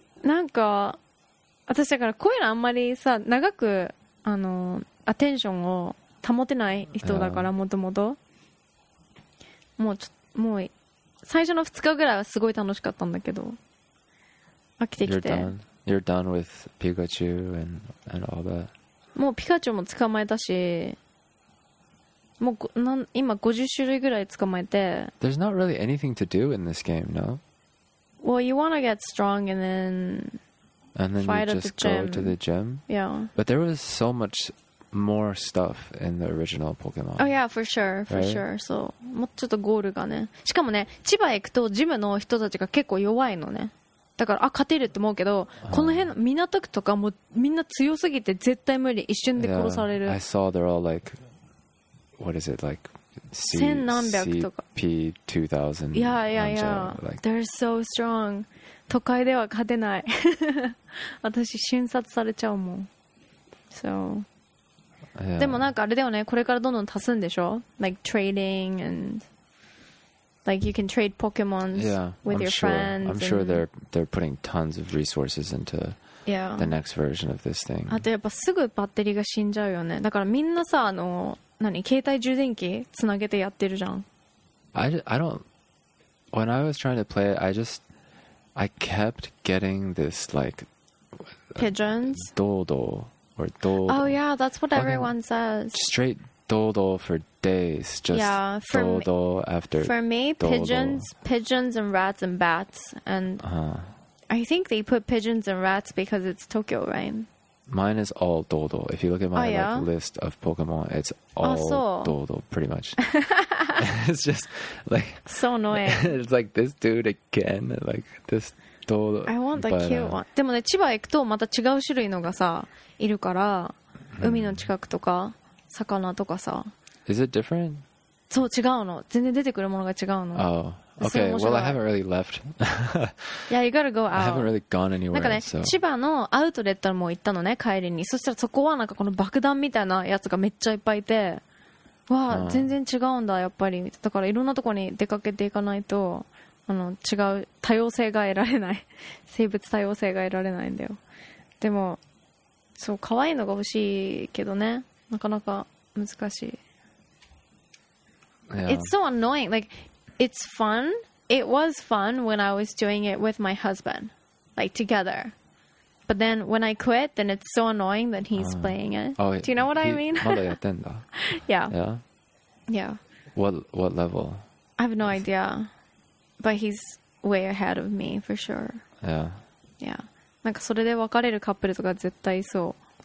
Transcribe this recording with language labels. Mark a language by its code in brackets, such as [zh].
[ja] なんか私だからこういうのあんまりさ長くあのアテンションを保てない人だから、もともともう最初の2日ぐらいはすごい楽しかったんだけど飽きてきて。 [en] You're done with Pikachu and all that. [ja] もうピカチュウも捕まえたし、もう今50種類ぐらい捕まえて。 [en] There's not really anything to do in this game, no? Well, you want to get strong and then fight at the gym. And then you just go to the gym? Yeah. But there was so much more stuff in the original Pokemon. Oh yeah, for sure, for sure. So, [ja] もうちょっとゴールがね。しかもね、千葉行くとジムの人たちが結構弱いのね。だからあ勝てるって思うけど、この辺港区とかもみんな強すぎて絶対無理、一瞬で殺される。 [en] Yeah, I saw they're all like, what is it like? [ja] 千何百とか。 [en] CP2000. Yeah. Like, they're so strong. [ja] 都会では勝てない。私瞬殺されちゃうもん。 [en] So. Yeah. [ja] でもなんかあれだよね、これからどんどん足すんでしょ ？ [en] Like trading and. Like you can trade Pokemons with your friends. I'm sure they're putting tons of resources into the next version of this thing. [ja] あとやっぱすぐバッテリーが死んじゃうよね。だからみんなさあの何携帯充電器つなげてやってるじゃん。 [en] I don't. When I was trying to play, I kept getting this like pigeons. Dodo or Dodo. Oh yeah, that's what everyone says. Straight. Dodo for days, just dodo after dodo. For me, pigeons and rats and bats. And I think they put pigeons and rats because it's Tokyo, right? Mine is all dodo. If you look at my like, list of Pokemon, it's all dodo, pretty much. It's just like... So annoying. It's like this dude again, like this dodo. I want the cute one. [ja] でもね、千葉行くとまた違う種類のがさ、いるから、海の近くとか。魚とかさ。 [en] Is it different? [ja] そう、違うの。全然出てくるものが違うの。 [en] Oh, okay. Well, I haven't really left. Yeah, you gotta go out. I haven't really gone anywhere. なんかね、千葉のアウトレットも行ったのね、帰りに。そしたらそこはなんかこの爆弾みたいなやつがめっちゃいっぱいいて、わあ、全然違うんだやっぱり。だからいろんなところに出かけていかないと、あの違う多様性が得られない、生物多様性が得られないんだよ。でもそう、可愛いのが欲しいけどね、なかなか難しい。 It's so annoying. Like, it's fun. It was fun when I was doing it with my husband, like together. But then when I quit, then it's so annoying that he's playing it. Do you know what I mean? [ja] まだやってんだ。 [en] Yeah. Yeah. Yeah. What level? I have no idea. But he's way ahead of me, for sure. Yeah. Yeah. [ja] なんかそれで別れるカップルとか絶対そう。